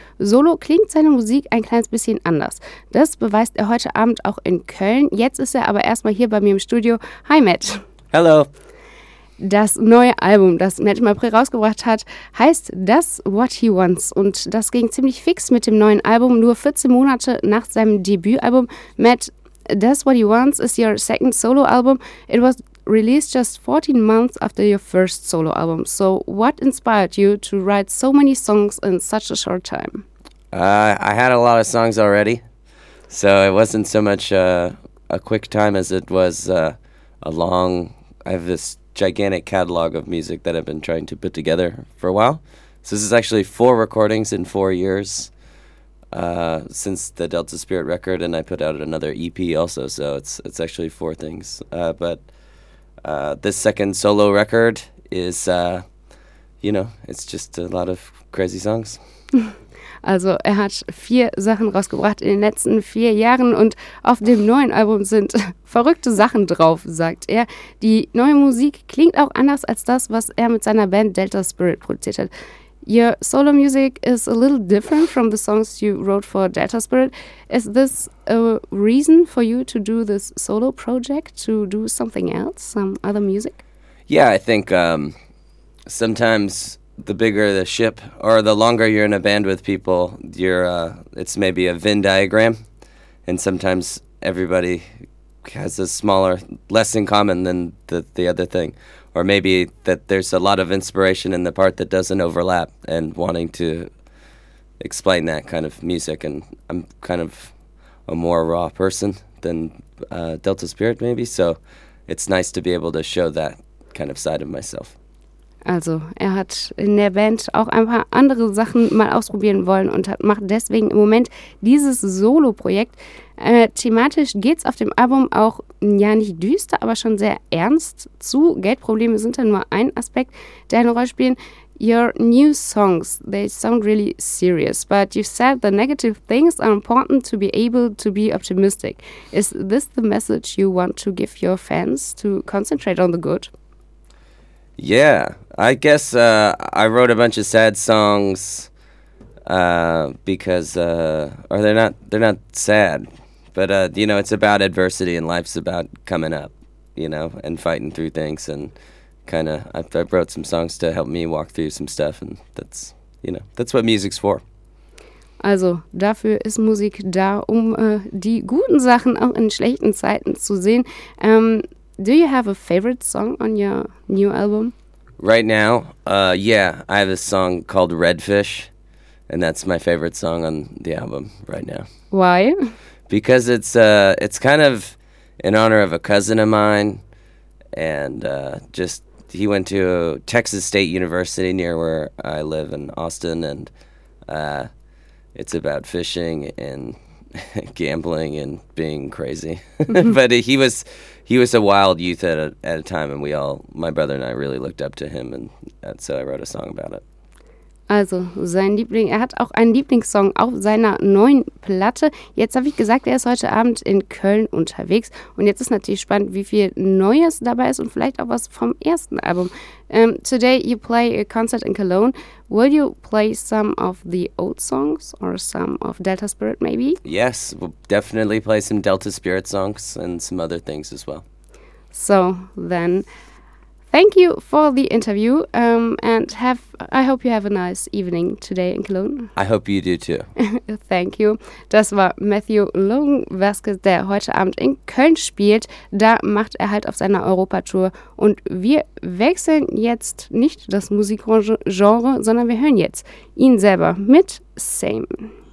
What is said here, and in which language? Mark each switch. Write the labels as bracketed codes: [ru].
[de] Solo klingt seine Musik ein kleines bisschen anders. Das beweist er heute Abend auch in Köln. Jetzt ist er aber erstmal hier bei mir im Studio. Hi Matt. [en] Hello. [de] Das neue Album, das Matt im April rausgebracht hat, heißt That's What He Wants. Und das ging ziemlich fix mit dem neuen Album, nur 14 Monate nach seinem Debütalbum. [en] Matt, That's What He Wants is your second solo album. It was released just 14 months after your first solo album. So what inspired you to write so many songs in such a short time? I had a lot of songs already. So it wasn't so much a quick time as it was I have this gigantic catalog of music that I've been trying to put together for a while. So this is actually 4 recordings in 4 years since the Delta Spirit record, and I put out another EP also, so it's actually 4 things. This second solo record is, it's just a lot of crazy songs. [de] Also er hat 4 Sachen rausgebracht in den letzten 4 Jahren und auf dem neuen Album sind verrückte Sachen drauf, sagt er. Die neue Musik klingt auch anders als das, was er mit seiner Band Delta Spirit produziert hat. [en] Your solo music is a little different from the songs you wrote for Delta Spirit. Is this a reason for you to do this solo project, to do something else, some other music? Yeah, I think sometimes the bigger the ship, or the longer you're in a band with people, it's maybe a Venn diagram, and sometimes everybody has a smaller, less in common than the other thing, or maybe that there's a lot of inspiration in the part that doesn't overlap, and wanting to explain that kind of music, and I'm kind of a more raw person than Delta Spirit maybe, so it's nice to be able to show that kind of side of myself. [de] Also, er hat in der Band auch ein paar andere Sachen mal ausprobieren wollen und macht deswegen im Moment dieses Solo-Projekt. Thematisch geht's auf dem Album auch, ja nicht düster, aber schon sehr ernst zu. Geldprobleme sind da nur ein Aspekt, der eine Rolle spielt. [en] Your new songs, they sound really serious, but you said the negative things are important to be able to be optimistic. Is this the message you want to give your fans, to concentrate on the good? Yeah, I guess I wrote a bunch of sad songs because they're not sad, but it's about adversity and life's about coming up, you know, and fighting through things and kind of, I wrote some songs to help me walk through some stuff and that's what music's for. [de] Also, dafür ist Musik da, um die guten Sachen auch in schlechten Zeiten zu sehen. [en] Do you have a favorite song on your new album? Right now? I have a song called Redfish, and that's my favorite song on the album right now. Why? Because it's kind of in honor of a cousin of mine, and he went to Texas State University near where I live in Austin, and it's about fishing and gambling and being crazy. But he was a wild youth at a time, and my brother and I really looked up to him, and so I wrote a song about it. [de] Also, er hat auch einen Lieblingssong auf seiner neuen Platte. Jetzt habe ich gesagt, er ist heute Abend in Köln unterwegs. Und jetzt ist natürlich spannend, wie viel Neues dabei ist und vielleicht auch was vom ersten Album. [en] Today you play a concert in Cologne. Will you play some of the old songs or some of Delta Spirit maybe? Yes, we'll definitely play some Delta Spirit songs and some other things as well. So then, thank you for the interview, and I hope you have a nice evening today in Cologne. I hope you do too. Thank you. [de] Das war Matthew Logan-Vasquez, der heute Abend in Köln spielt. Da macht er halt auf seiner Europa-Tour. Und wir wechseln jetzt nicht das Musikgenre, sondern wir hören jetzt ihn selber mit Same.